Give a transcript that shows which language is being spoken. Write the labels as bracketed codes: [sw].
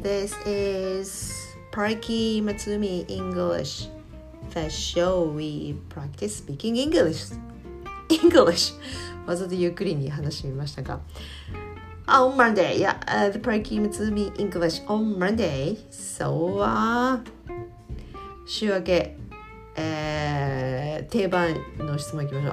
[en] This is Parky Matsumi English, the show we practice speaking English. English. [ja] わざとゆっくりに話してみましたが。 [en] On Monday, the Parky Matsumi English on Monday. [ja] So, 週明け、定番の質問いきましょう。